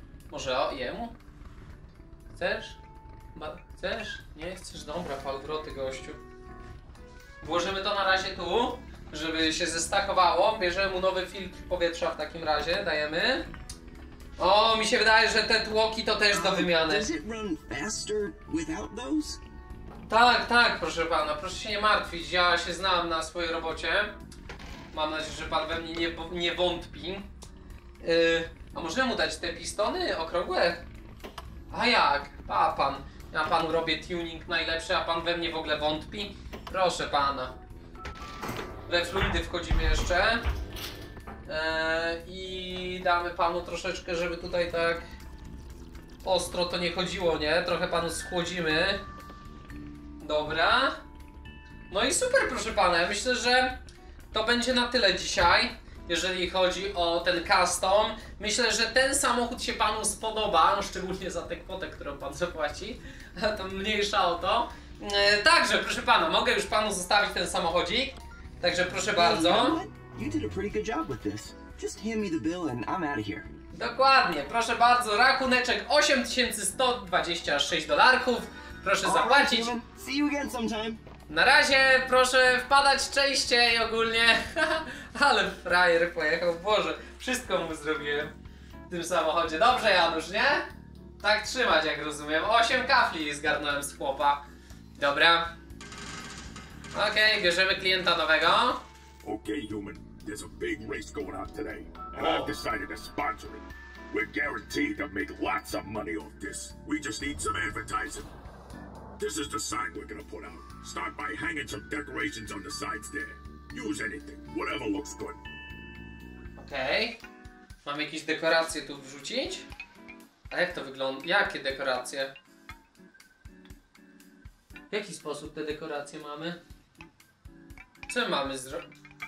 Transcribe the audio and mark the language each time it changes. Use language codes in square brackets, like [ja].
[pl] Może o, jemu? Chcesz? Chcesz? Nie chcesz? Dobra, pal w roty, gościu. Włożymy to na razie tu, żeby się zestakowało. Bierzemy mu nowy filtr powietrza w takim razie. Dajemy. O, mi się wydaje, że te tłoki to też do wymiany. [en] Does it run faster without those? [pl] Tak, tak, proszę pana. Proszę się nie martwić. Ja się znam na swojej robocie. Mam nadzieję, że pan we mnie nie wątpi. A możemy mu dać te pistony okrągłe? A jak? A pan... Ja panu robię tuning najlepszy, a pan we mnie w ogóle wątpi? Proszę pana. We fluidy wchodzimy jeszcze. I damy panu troszeczkę, żeby tutaj tak ostro to nie chodziło, nie? Trochę panu schłodzimy. Dobra. No i super, proszę pana. Myślę, że to będzie na tyle dzisiaj, jeżeli chodzi o ten custom. Myślę, że ten samochód się panu spodoba, szczególnie za tę kwotę, którą pan zapłaci. To mniejsza o to. Także, proszę pana, mogę już panu zostawić ten samochodzik. Także proszę bardzo. [en] You did a pretty good job with this. Just hand me the bill and I'm out of here. [pl] Dokładnie, proszę bardzo, rachuneczek 8126 dolarków. Proszę zapłacić. [en] Right, see you again sometime. [pl] Na razie, proszę wpadać częściej ogólnie. Ale frajer pojechał, Boże, wszystko mu zrobiłem w tym samochodzie. Dobrze, Janusz, nie? Tak trzymać, jak rozumiem. 8 kafli zgarnąłem z chłopa. Dobra. Okej, okay, bierzemy klienta nowego. [en] Okay, human, there's a big race going on today, and oh. I've decided to sponsor it. We're guaranteed to make lots of money off this. We just need some advertising. This is the sign we're gonna put out. Start by hanging some decorations on the sides there. Use anything, whatever looks good. [pl] Okej. Mam jakieś dekoracje tu wrzucić? A jak to wygląda? Jakie dekoracje? W jaki sposób te dekoracje mamy? Co mamy zrobić?